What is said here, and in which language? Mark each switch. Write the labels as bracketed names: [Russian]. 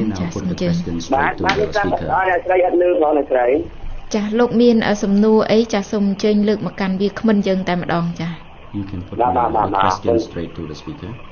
[English] You may now put the questions back to your speaker. [Khmer] ចាស់លោកមានសំណួរអីចាស់សូមចេញលើកមកកាន់វាគ្មិនយើងតែម្ដងចាស់ [English] You can put the question straight to the speaker.